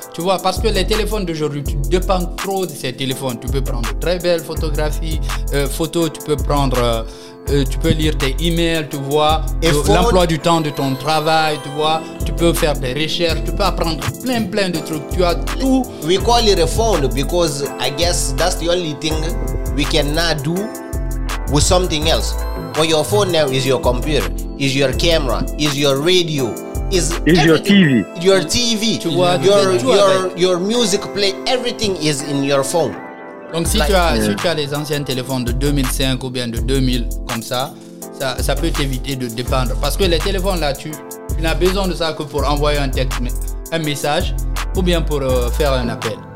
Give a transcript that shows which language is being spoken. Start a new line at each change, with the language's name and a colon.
French: Tu vois, parce que les téléphones d'aujourd'hui, tu dépends trop de ces téléphones. Tu peux prendre très belles photographies, photos, tu peux prendre, tu peux lire tes emails, tu vois. L'emploi du temps de ton travail, tu vois. Tu peux faire des recherches, tu peux apprendre plein de trucs. Tu as tout.
English: We call it a phone because I guess that's the only thing we cannot do with something else. But your phone now is your computer, is your camera, is your radio, is your TV. Your TV,
French: tu vois,
English: your music play, everything is in your phone.
French: Donc si, si tu as les anciens téléphones de 2005 ou bien de 2000 comme ça, ça peut t'éviter de dépendre. Parce que les téléphones là, tu n'as besoin de ça que pour envoyer un texte, un message ou bien pour faire un appel.